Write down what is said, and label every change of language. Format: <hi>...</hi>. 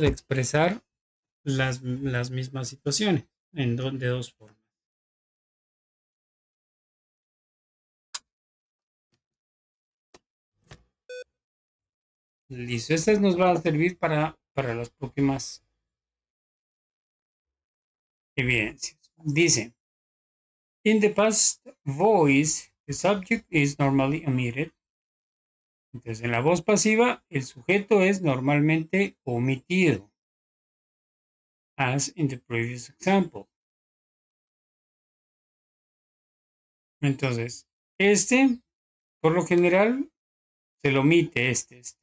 <es>De expresar las mismas situaciones de dos formas. Listo, este nos va a servir para las próximas evidencias. Dice,</es> <en>in the past voice, the subject is normally omitted.</en> <es>Entonces, en la voz pasiva, el sujeto es normalmente omitido.</es> <en>As in the previous example.</en> <es>Entonces, este, por lo general, se lo omite este.</es>